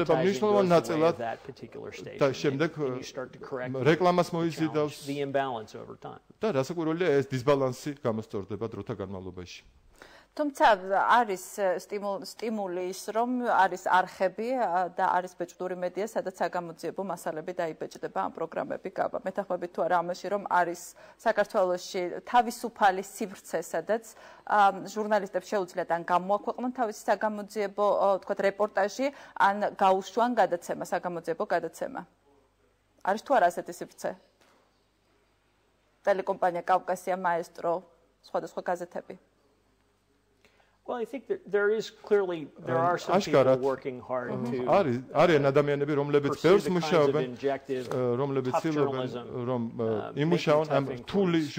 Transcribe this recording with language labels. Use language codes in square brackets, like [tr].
[en] goes away at that particular stage and you start to correct the challenge, the imbalance over time. [ka] Თუმცა არის სტიმული ის რომ არის არხები და არის ბეჭდური მედია სადაც საგამოძიებო მასალები დაიბეჭდება ამ პროგრამები გაბა მეთანხმები თუ არა ამაში რომ არის საქართველოსში თავისუფალი სივრცე სადაც ჟურნალისტებს შეუძლიათ ან გამოაქვეყნონ თავისი საგამოძიებო თქვა რეპორტაჟი ან გაუშვან გადაცემა საგამოძიებო გადაცემა არის თუ არა ასეთი სივრცე Telekompania Kaukasia Maestro, სხვადასხვა გაზეთები. [en] Well, I think there are some people working hard to pursue the kinds of injective journalism,